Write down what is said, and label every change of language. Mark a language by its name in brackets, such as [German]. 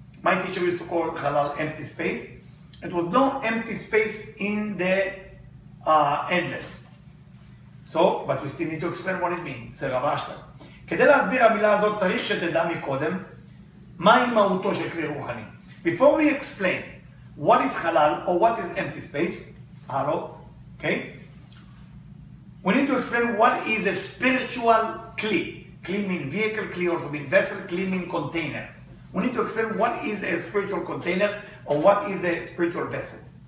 [English] My teacher used to call it halal empty space. It was no empty space in the endless. So, but we still need to explain what it means. So Rav Ashlag. [Hebrew] כדי להסביר המילה הזאת צריך שתדע מקודם מהי מהותו של כלי רוחני. [English] Before we explain what is halal or what is empty space, hello, okay? We need to explain what is a spiritual kli. Kli mean vehicle, kli also mean vessel, kli mean container. We need to explain what is a spiritual container or what is a spiritual vessel.